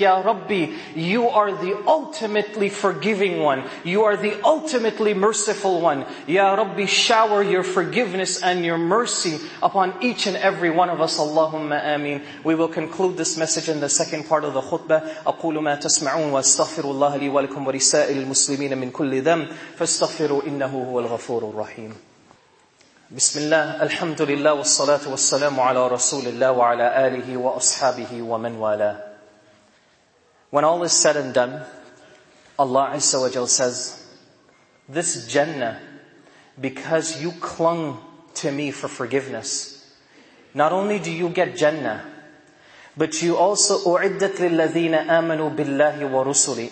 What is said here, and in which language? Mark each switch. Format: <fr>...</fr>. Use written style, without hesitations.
<en>Ya Rabbi, you are the ultimately forgiving one. You are the ultimately merciful one. Ya Rabbi, shower your forgiveness and your mercy upon each and every one of us. Allahumma ameen. We will conclude this message in the second part of the khutbah.</en> <ar>أقول ما تسمعون واستغفر الله لي ولكم ولسائر المسلمين من كل ذنب فاستغفروا إنه هو الغفور الرحيم. بسم الله الحمد لله والصلاة والسلام على رسول الله وعلى آله وأصحابه ومن والاه.</ar> <en>When all is said and done, Allah Azza wa Jal says, this Jannah, because you clung to me for forgiveness, not only do you get Jannah, but you also</en> <ar>أُعِدَّتْ لِلَّذِينَ آمَنُوا بِاللَّهِ وَرُسُلِي.</ar>